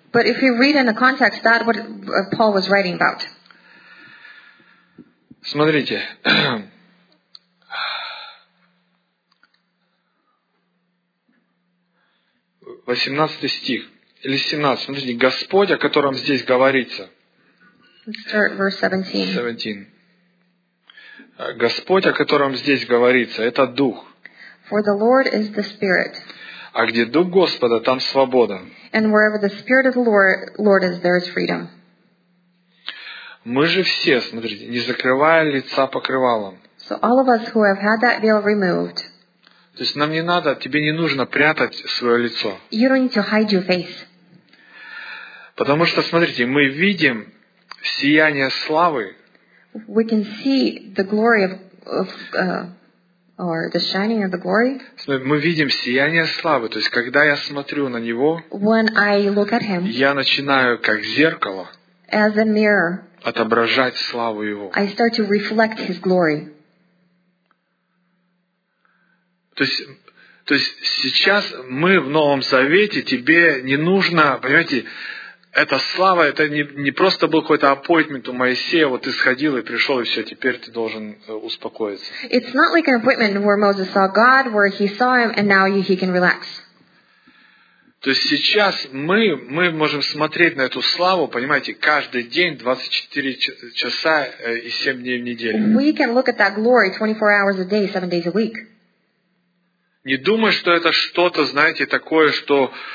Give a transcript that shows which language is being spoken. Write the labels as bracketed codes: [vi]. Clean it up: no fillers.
[en] But if you read in the context, that what Paul was writing about. [ru] Смотрите. Восемнадцатый стих. Или 17. Смотрите, Господь, о котором здесь говорится. [en] Let's start verse 17. [ru] Господь, о котором здесь говорится, это Дух. [en] For the Lord is the Spirit. [ru] А где Дух Господа, там свобода. [en] And wherever the Spirit of the Lord is, there is freedom. [ru] Мы же все, смотрите, не закрывая лица покрывалом. [en] So all of us who have had that veil removed. [ru] То есть нам не надо, тебе не нужно прятать свое лицо. [en] You don't need to hide your face. [ru] Потому что, смотрите, мы видим сияние славы. [en] We can see the glory or the shining of the glory. [ru] Мы видим сияние славы, то есть когда я смотрю на него, [en] when I look at him, [ru] я начинаю как зеркало, [en] as a mirror, [ru] отображать славу его. [en] I start to reflect his glory. [ru] То есть сейчас мы в Новом Завете, тебе не нужно, понимаете, эта слава, это не просто был какой-то appointment у Моисея, вот ты сходил и пришел, и все, теперь ты должен успокоиться. [en] It's not like an appointment where Moses saw God, where he saw him, and now he can relax. [ru] То есть сейчас мы можем смотреть на эту славу, понимаете, каждый день, 24 часа и 7 дней в неделю. [en] We can look at that glory 24 hours a day, 7 days a week. [ru] Не думай, что это что-то, знаете, такое, что...